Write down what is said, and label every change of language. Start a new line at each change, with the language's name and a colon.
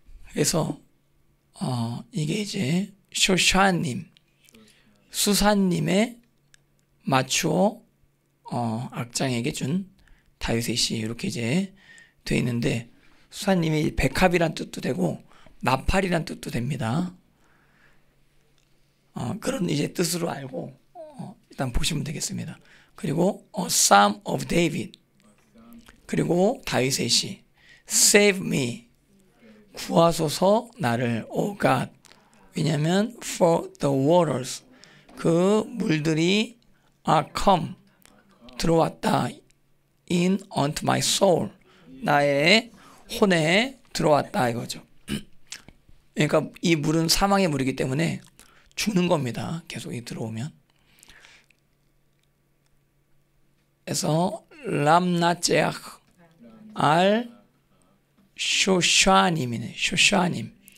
Korean: 그래서 이게 이제 쇼샤님, 수산님의 마추어 악장에게 준 다윗의 시 이렇게 이제 돼 있는데 수사님이 백합이란 뜻도 되고 나팔이란 뜻도 됩니다. 그런 이제 뜻으로 알고 일단 보시면 되겠습니다. 그리고
English: A Psalm of David,
Korean: 그리고 다윗의 시
English: Save me,
Korean: 구하소서 나를
English: O God.
Korean: 왜냐하면
English: For the waters,
Korean: 그 물들이
English: are come,
Korean: 들어왔다.
English: In unto my soul,
Korean: 나의 혼에 들어왔다 이거죠. 그러니까 이 물은 사망의 물이기 때문에 죽는 겁니다. 계속 이 들어오면. 그래서 람나제악 알 쇼샤님이네. 쇼샤님.